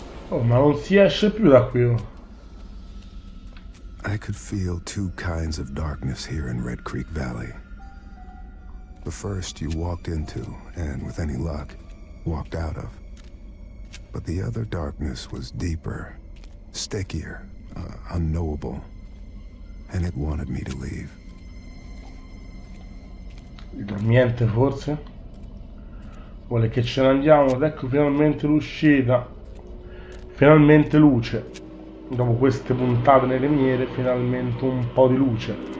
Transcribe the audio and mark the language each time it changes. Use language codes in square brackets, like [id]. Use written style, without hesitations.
[it] Oh, ma non si esce più da qui. Oh. [en] I could feel two kinds of darkness here in Red Creek Valley. The first you walked into, and with any luck, walked out of. But the other darkness was deeper, stickier, unknowable. And it wanted me to leave. [it] Il dormiente, forse? Vuole che ce ne andiamo, ed ecco finalmente l'uscita. Finalmente luce. Dopo queste puntate nelle miere, finalmente un po' di luce.